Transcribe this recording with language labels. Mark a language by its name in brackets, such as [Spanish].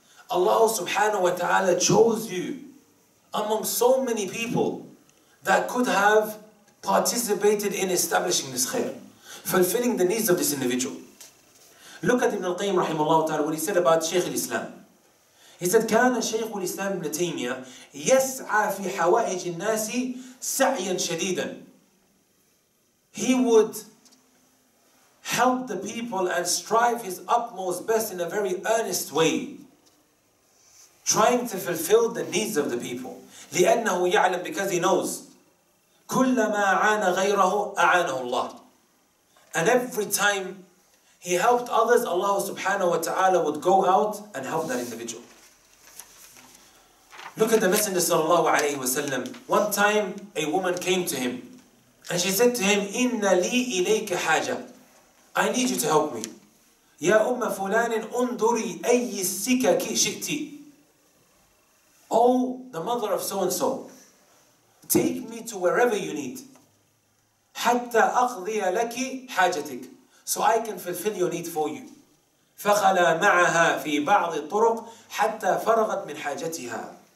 [English] Allah subhanahu wa ta'ala chose you among so many people that could have participated in establishing this khair, fulfilling the needs of this individual. Look at Ibn al-Qayyim rahimahullah ta'ala what he said about Shaykh al-Islam. He said, [Arabic] كَانَ شَيْخُ الْإِسْلَامِ بْنَ تَيْمِيَا يَسْعَى فِي حَوَائِجِ النَّاسِ سَعْيًا شَدِيدًا. [English] He would help the people and strive his utmost best in a very earnest way, trying to fulfill the needs of the people. [Arabic] لِأَنَّهُ يَعْلَمْ, [English] because he knows. [Arabic] كُلَّمَا عَانَ غَيْرَهُ أَعَانَهُ اللَّهُ. [English] And every time he helped others, Allah subhanahu wa ta'ala would go out and help that individual. Look at the Messenger sallallahu alayhi wa sallam. One time a woman came to him and she said to him, [Arabic] إِنَّ لِي إِلَيْكَ حَاجَةً. [English] I need you to help me. [Arabic] يَا أُمَّ فُلَانٍ أُنْدُرِي أَيِّ السِّكَكِ شِئْتِي. [English] Oh, the mother of so-and-so, take me to wherever you need. [Arabic] حَتَّى أَقْضِيَ لَكِ حَاجَتِكِ, [English] so I can fulfill your need for you. [Arabic] فَخَلَى مَعَهَا فِي بَعْضِ الطُّرُقِ حَتَّى فَرَغَتْ مِنْ حَاجَتِهَا.